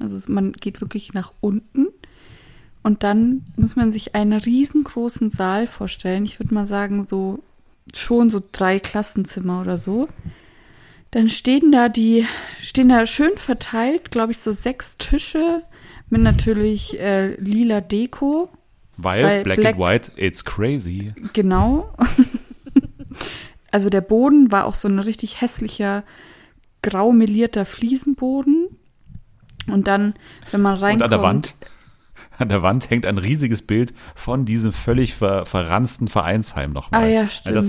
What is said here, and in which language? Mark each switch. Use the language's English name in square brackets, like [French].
[German] Also man geht wirklich nach unten. Und dann muss man sich einen riesengroßen Saal vorstellen. Ich würde mal sagen, so schon so 3 Klassenzimmer oder so. Dann stehen da schön verteilt, glaube ich, so 6 Tische Mit natürlich lila Deko. Weil [English] black and white, it's crazy. [German] Genau. Also der Boden war auch so ein richtig hässlicher, grau melierter Fliesenboden. Und dann, wenn man reinkommt. Und an der Wand hängt ein riesiges Bild von diesem völlig verransten Vereinsheim nochmal. Ah ja, stimmt. Also,